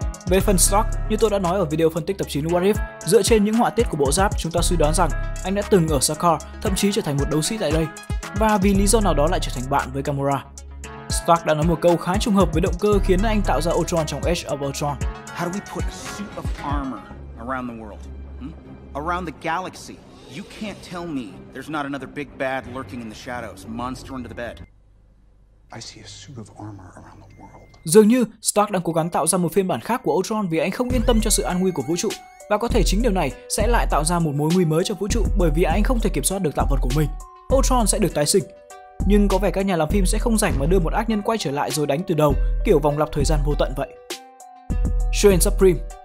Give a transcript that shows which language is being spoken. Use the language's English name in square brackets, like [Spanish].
[Vietnamese] Về phần Stark, như tôi đã nói ở video phân tích tập 9 What If, dựa trên những họa tiết của bộ giáp, chúng ta suy đoán rằng anh đã từng ở Sakaar, thậm chí trở thành một đấu sĩ tại đây, và vì lý do nào đó lại trở thành bạn với Gamora. Stark đã nói một câu khá trùng hợp với động cơ khiến anh tạo ra Ultron trong Age of Ultron. [English] How do we put a suit of armor around the world? Around the galaxy? You can't tell me there's not another big bad lurking in the shadows, monster under the bed. I see a suit of armor around the world. [Vietnamese] Dường như Stark đang cố gắng tạo ra một phiên bản khác của Ultron vì anh không yên tâm cho sự an nguy của vũ trụ, và có thể chính điều này sẽ lại tạo ra một mối nguy mới cho vũ trụ bởi vì anh không thể kiểm soát được tạo vật của mình. Ultron sẽ được tái sinh. Nhưng có vẻ các nhà làm phim sẽ không rảnh mà đưa một ác nhân quay trở lại rồi đánh từ đầu, kiểu vòng lặp thời gian vô tận vậy. Shuren Supreme.